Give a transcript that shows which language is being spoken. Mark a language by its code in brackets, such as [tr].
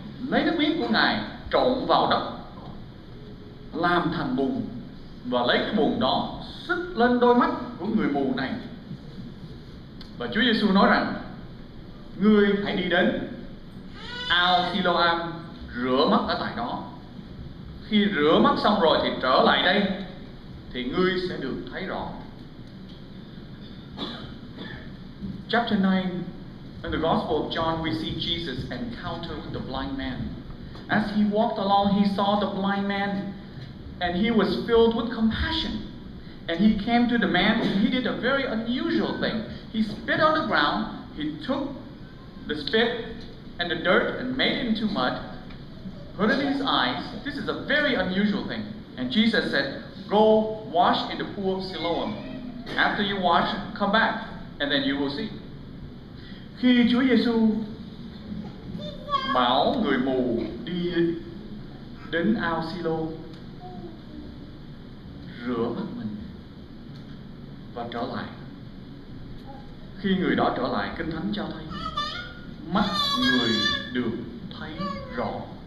[vi] lấy nước miếng của Ngài trộn vào đất, làm thành bùn, và lấy cái bùn đó xức lên đôi mắt của người mù này. Và Chúa Giêsu nói rằng: ngươi hãy đi đến ao Siloam, rửa mắt ở tại đó. Khi rửa mắt xong rồi thì trở lại đây, thì ngươi sẽ được thấy rõ. [en] Chapter 9 in the Gospel of John, we see Jesus encounter with the blind man. As he walked along, he saw the blind man, and he was filled with compassion. And he came to the man, and he did a very unusual thing. He spit on the ground, he took the spit and the dirt and made it into mud, put it in his eyes. This is a very unusual thing. And Jesus said, go wash in the pool of Siloam. After you wash, come back, and then you will see. [vi] Khi Chúa Giêsu bảo người mù đi đến ao Silo rửa mắt mình và trở lại, khi người đó trở lại, Kinh Thánh cho thấy mắt người được thấy rõ.